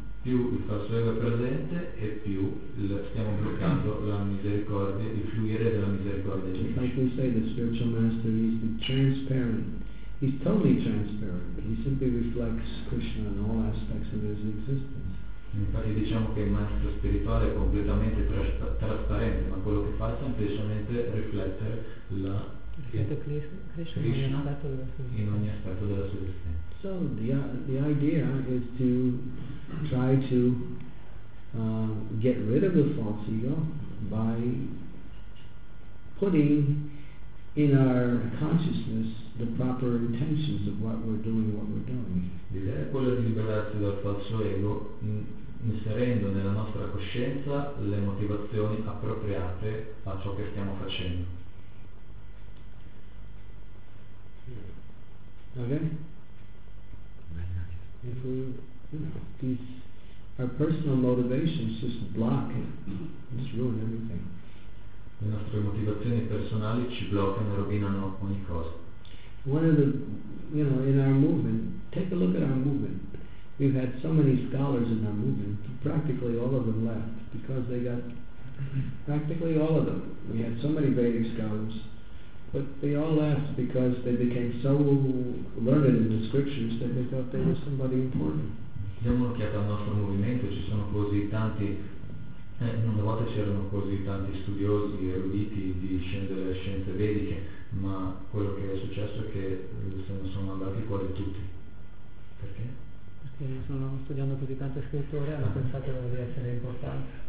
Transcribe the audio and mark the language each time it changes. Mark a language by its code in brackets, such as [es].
[it] Più il falso ego è presente e più stiamo bloccando la misericordia, il fluire della misericordia di Krishna. [en] Like we say, the spiritual master is transparent. He's totally transparent. He simply reflects Krishna in all aspects of his existence. [it] Infatti diciamo che il maestro spirituale è completamente trasparente, ma quello che fa è semplicemente riflettere la Krishna in ogni aspetto della sua esistenza. [en] So the idea is to try to get rid of the false ego by putting in our consciousness the proper intentions of what we're doing. [it] L'idea è quella di liberarsi dal falso ego inserendo nella nostra coscienza le motivazioni appropriate a ciò che stiamo facendo. [en] Ok? If we, you know, these Our personal motivations just block it. Just ruin everything. [it] Le nostre motivazioni personali ci bloccano e rovinano ogni cosa. [en] One of the, you know, in our movement, take a look at our movement. We've had so many scholars in our movement, practically all of them left because they got, practically all of them. We had so many Vedic scholars, but they all left because they became so learned in the scriptures that they thought they were somebody important. [it] Diamo un'occhiata al nostro movimento, ci sono così tanti, una volta c'erano così tanti studiosi, eruditi di scienze, delle scienze vediche, ma quello che è successo è che se ne sono andati fuori tutti. Perché? Perché sono studiando così tante scritture, hanno pensato di essere importanti.